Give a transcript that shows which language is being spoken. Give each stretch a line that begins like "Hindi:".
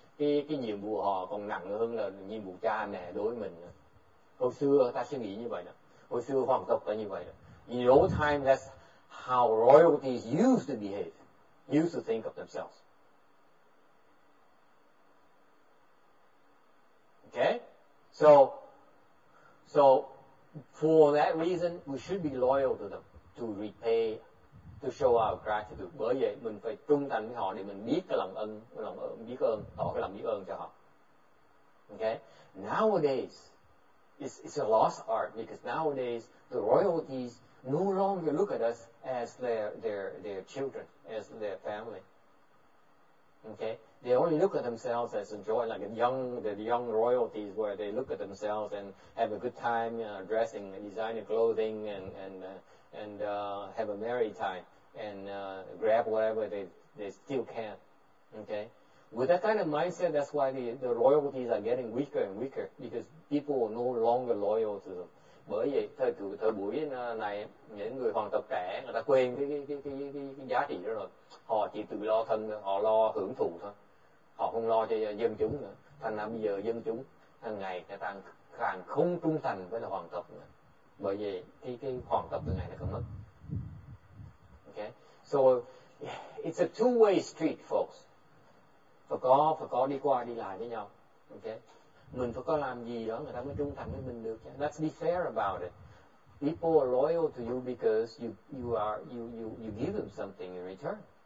Vietnamese: Cái nhiệm vụ họ còn nặng hơn là nhiệm vụ cha mẹ đối với mình. Hồi xưa ta suy nghĩ như vậy đó. Hồi xưa hoàng tộc ta như vậy đó.
English: In the old time, that's how royalties used to behave, used to think of themselves. Okay? So for that reason, we should be loyal to them, to repay, to show our gratitude.
Vietnamese: Bởi vậy, mình phải trung thành với họ để mình biết cái lòng ơn, biết ơn, tỏ cái lòng biết ơn cho họ.
English: Okay? Nowadays, it's a lost art, because nowadays, the royalties no longer look at us as their children, as their family. Okay? They only look at themselves as enjoy, like the young royalties, where they look at themselves and have a good time, you know, dressing, designing clothing, and have a merry time, and grab whatever they still can. Okay? With that kind of mindset, that's why the royalties are getting weaker and weaker, because people are no longer loyal to them.
Vietnamese: Bởi vậy thời buổi này những người hoàng tộc trẻ người ta quên cái giá trị đó rồi, họ chỉ tự lo thân, họ lo hưởng thụ thôi, họ không lo cho dân chúng nữa. Thành ra bây giờ dân chúng hàng ngày người ta càng không trung thành với là hoàng tộc nữa. Bởi vậy cái hoàng tộc từ ngày này không mất.
English: Okay, so it's a two way street, folks.
Vietnamese: Phải có đi qua đi lại với nhau. Okay, mình phải có làm gì đó người ta mới trung thành với mình được.
English: Let's be fair about it. People are loyal to you because you give them something in return.